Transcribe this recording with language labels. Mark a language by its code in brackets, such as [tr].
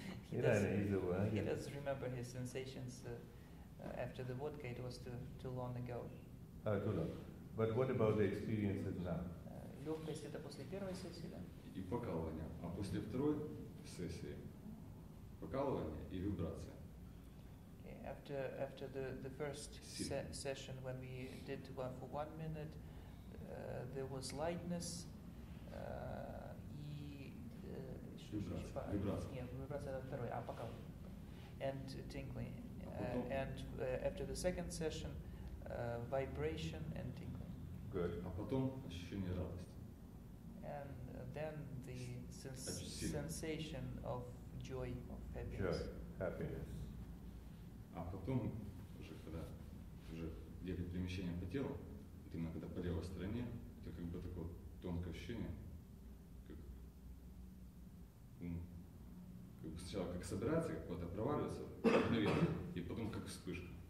[en] He doesn't remember his sensations after the vodka. It was too long ago. Too long. But what about the experiences now? [ru] Легкость это после первой сессии, да? И покалывание. А после второй сессии покалывание и вибрация. [en] After the first session, when we did one for 1 minute. There was lightness and tinkling and after the second session vibration and tinkling. Good. [ru] А потом ощущение радости. [en] And then the sensation of joy, of happiness. Happiness. [ru] А потом уже когда уже делать перемещение по телу. Именно когда по левой стороне, это как бы такое тонкое ощущение, как сначала как собирается, как куда-то проваливается, и потом как вспышка.